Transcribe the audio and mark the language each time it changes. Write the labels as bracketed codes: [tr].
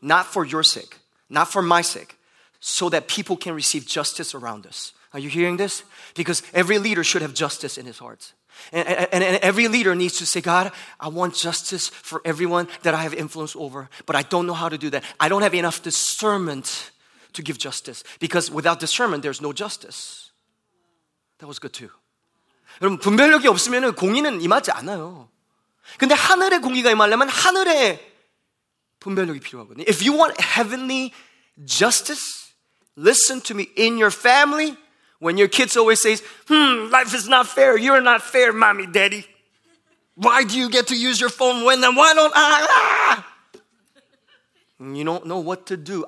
[en] Not for your sake, not for my sake, so that people can receive justice around us. Are you hearing this? Because every leader should have justice in his heart. And every leader needs to say, God, I want justice for everyone that I have influence over, but I don't know how to do that. I don't have enough discernment to give justice. Because without discernment, there's no justice. That was good too. [ko] 여러분, 분별력이 없으면 공의는 임하지 않아요. 근데 하늘의 공의가 임하려면 하늘의 분별력이 필요하거든요. [en] If you want heavenly justice, listen to me. In your family, when your kids always say, life is not fair. You're not fair, mommy, daddy. Why do you get to use your phone when then? Why don't I? You don't know what to do.